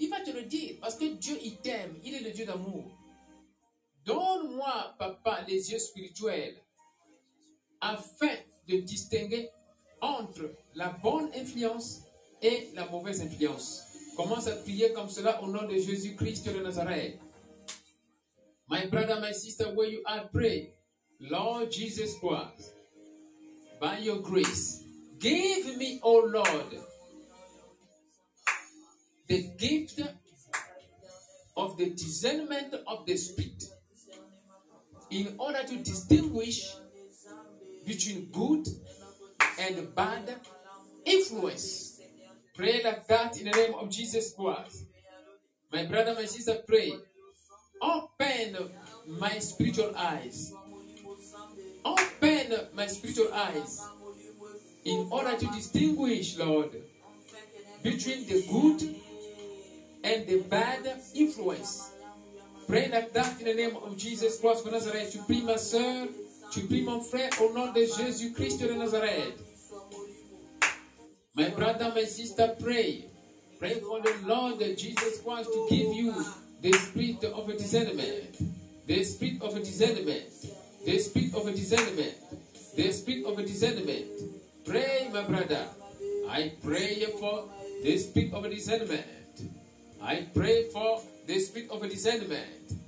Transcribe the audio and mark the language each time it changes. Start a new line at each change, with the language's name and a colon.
French: Il va te le dire, parce que Dieu, il t'aime, il est le Dieu d'amour. Donne-moi, papa, les yeux spirituels, afin de distinguer entre la bonne influence et la mauvaise influence. Commence à prier comme cela au nom de Jésus-Christ de Nazareth.
English: My brother, my sister, where you are, pray. Lord Jesus Christ, by your grace, give me, O Lord, the gift of the discernment of the spirit in order to distinguish between good and bad influence. Pray like that in the name of Jesus Christ. My brother, my sister, pray. Open my spiritual eyes. Open my spiritual eyes in order to distinguish, Lord, between the good and the bad influence. Pray like that in the name of Jesus Christ of Nazareth.
French: Tu pries, ma soeur, tu pries, mon frère, au nom de Jésus Christ de Nazareth.
English: My brother, my sister, pray. Pray for the Lord Jesus Christ to give you the spirit of a discernment. The spirit of a discernment. The spirit of a discernment. The spirit of a discernment. Pray, my brother. I pray for the spirit of a discernment. I pray for the spirit of a discernment.